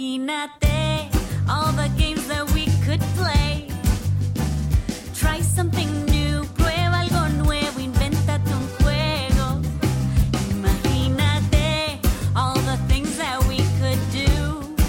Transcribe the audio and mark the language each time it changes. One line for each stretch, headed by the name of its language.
English: at they, all the games that we could play. Try something new,
Spanish: prueba algo nuevo, invéntate un juego. Imagínate
English: all the things that we could do.